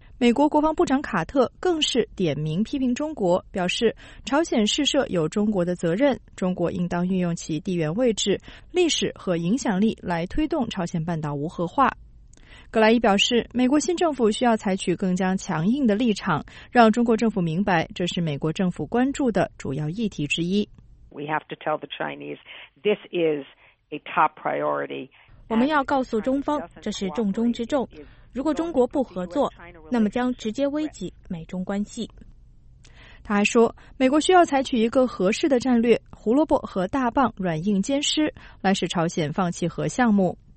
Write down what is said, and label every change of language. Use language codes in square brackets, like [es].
[zh] 美国国防部长卡特更是点名批评中国，表示朝鲜试射有中国的责任，中国应当运用其地缘位置、历史和影响力来推动朝鲜半岛无核化。葛莱仪表示，美国新政府需要采取更加强硬的立场，让中国政府明白这是美国政府关注的主要议题之一。 [en] We have to tell the Chinese this is a top priority. [zh] 我们要告诉中方，这是重中之重，如果中国不合作，那么将直接危及美中关系。他还说，美国需要采取一个合适的战略，胡萝卜和大棒软硬兼施，来使朝鲜放弃核项目。